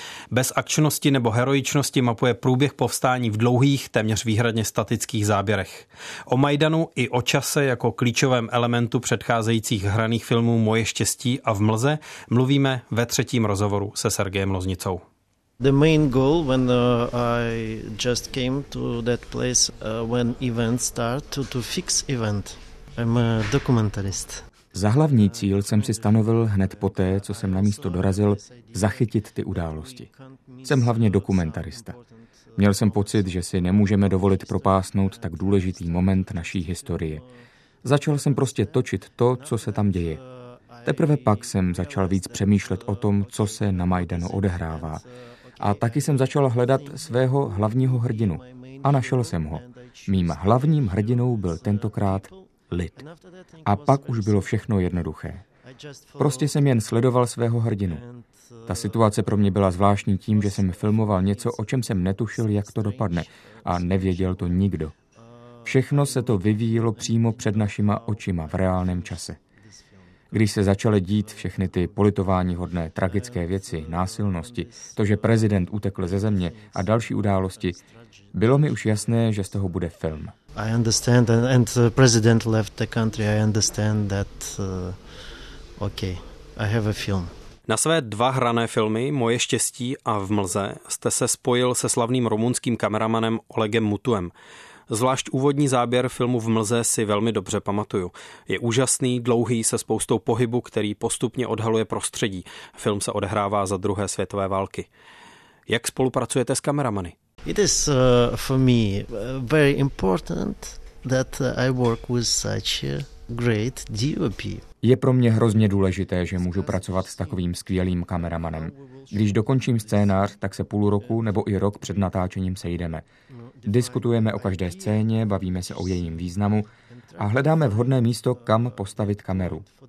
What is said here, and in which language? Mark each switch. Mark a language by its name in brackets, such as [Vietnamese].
[Czech] Bez akčnosti nebo heroičnosti mapuje průběh povstání v dlouhých, téměř výhradně statických záběrech. O Majdanu i o čase jako klíčovém elementu předcházejících hraných filmů Moje štěstí a V mlze mluvíme ve třetím rozhovoru se Sergejem Loznicou. [English] The main goal when I just came to that place when events start to fix event. I'm a documentarist. [Czech] Za hlavní cíl jsem si stanovil hned poté, co jsem na místo dorazil, zachytit ty události. Jsem hlavně dokumentarista. Měl jsem pocit, že si nemůžeme dovolit propásnout tak důležitý moment naší historie. Začal jsem prostě točit to, co se tam děje. Teprve pak jsem začal víc přemýšlet o tom, co se na Majdanu odehrává. A taky jsem začal hledat svého hlavního hrdinu. A našel jsem ho. Mým hlavním hrdinou byl tentokrát lid. A pak už bylo všechno jednoduché. Prostě jsem jen sledoval svého hrdinu. Ta situace pro mě byla zvláštní tím, že jsem filmoval něco, o čem jsem netušil, jak to dopadne, a nevěděl to nikdo. Všechno se to vyvíjelo přímo před našima očima v reálném čase. Když se začaly dít všechny ty politováníhodné tragické věci, násilnosti, to, že prezident utekl ze země a další události, bylo mi už jasné, že z toho bude film. [English] I understand and the president left the country. I understand that okay. I have a film. [Czech] Na své dva hrané filmy Moje štěstí a V mlze jste se spojil se slavným rumunským kameramanem Olegem Mutuem. Zvlášť úvodní záběr filmu V mlze si velmi dobře pamatuju. Je úžasný, dlouhý, se spoustou pohybu, který postupně odhaluje prostředí. Film se odehrává za druhé světové války. Jak spolupracujete s kameramany? [English] It is for me very important that I work with such a great DOP. [Czech] Je pro mě hrozně důležité, že můžu pracovat s takovým skvělým kameramanem. Když dokončím scénář, tak se půl roku nebo i rok před natáčením sejdeme. Diskutujeme o každé scéně, bavíme se o jejím významu a hledáme vhodné místo, kam postavit kameru.